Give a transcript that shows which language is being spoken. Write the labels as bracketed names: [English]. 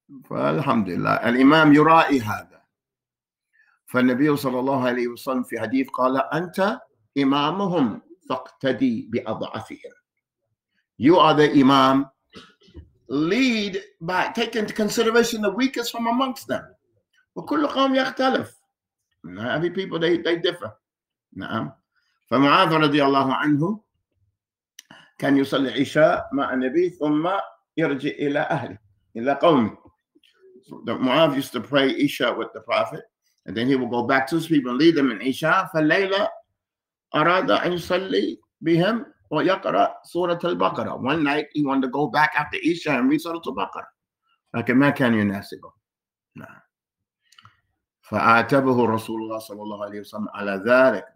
[Arabic] فالحمد لله الإمام يرائي هذا. فالنبي صلى الله عليه وسلم في حديث قال أنت إمامهم فاقتدي بأضعفهم. [English] You are the Imam. Lead by taking into consideration the weakest from amongst them. [Arabic] وكل قوم يختلف. [English] Every people they differ. [Arabic] نعم. فمعاذ رضي الله عنه كان يصلي عشاء مع النبي ثم يرجع إلى أهله إلى قومه. [English] معاذ used to pray عشاء with the Prophet and then he would go back to his people and lead them in عشاء. [Arabic] فالليلة أراد أن يصلي بهم ويقرأ سورة البقرة. [English] One night he wanted to go back after Isha and read سورة البقرة. [Arabic] لكن ما كان يناسبه. فأعتبه رسول الله صلى الله عليه وسلم على ذلك.